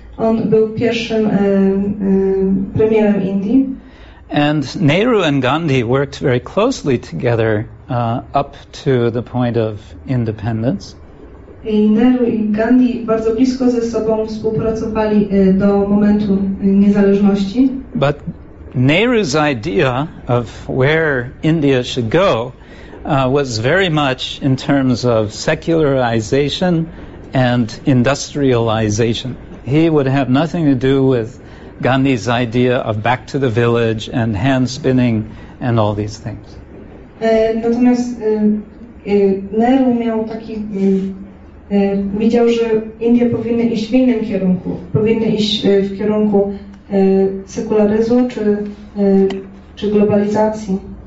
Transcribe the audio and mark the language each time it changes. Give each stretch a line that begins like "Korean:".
Polish: On był pierwszym premierem Indii.
English: And Nehru and Gandhi worked very closely together up to the point of independence.
Polish: I Nehru i Gandhi bardzo blisko ze sobą współpracowali do momentu niezależności.
English: But Nehru's idea of where India should go was very much in terms of secularization and industrialization. He would have nothing to do with Gandhi's idea of back to the village and hand spinning and all these things.
Polish: Natomiast Nehru miał taki widział, że Indie powinny iść w innym kierunku. Powinny iść w kierunku sekularyzmu czy globalizacji.